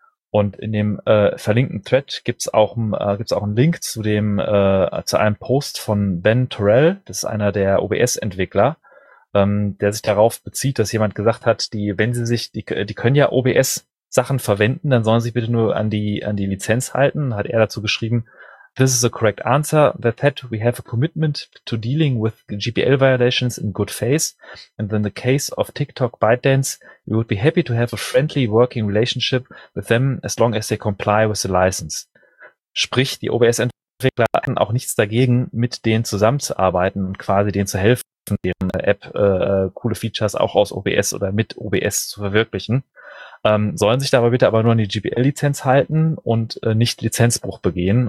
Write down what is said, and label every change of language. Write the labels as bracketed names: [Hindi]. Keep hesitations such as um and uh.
[German] Und in dem äh, verlinkten Thread gibt's auch, äh, gibt's auch einen Link zu dem äh, zu einem Post von Ben Terrell, das ist einer der OBS-Entwickler, ähm, der sich darauf bezieht, dass jemand gesagt hat, die, wenn sie sich, die, die können ja OBS-Sachen verwenden, dann sollen sie bitte nur an die an die Lizenz halten. Hat er dazu geschrieben, [English] This is the correct answer. With that, we have a commitment to dealing with GPL violations in good faith. And in the case of TikTok ByteDance, we would be happy to have a friendly working relationship with them as long as they comply with the license. [German] Sprich, die OBS-Entwickler hatten auch nichts dagegen, mit denen zusammenzuarbeiten und quasi denen zu helfen, deren App äh, coole Features auch aus OBS oder mit OBS zu verwirklichen. Ähm, sollen sich dabei bitte aber nur an die GPL-Lizenz halten und äh, nicht Lizenzbruch begehen.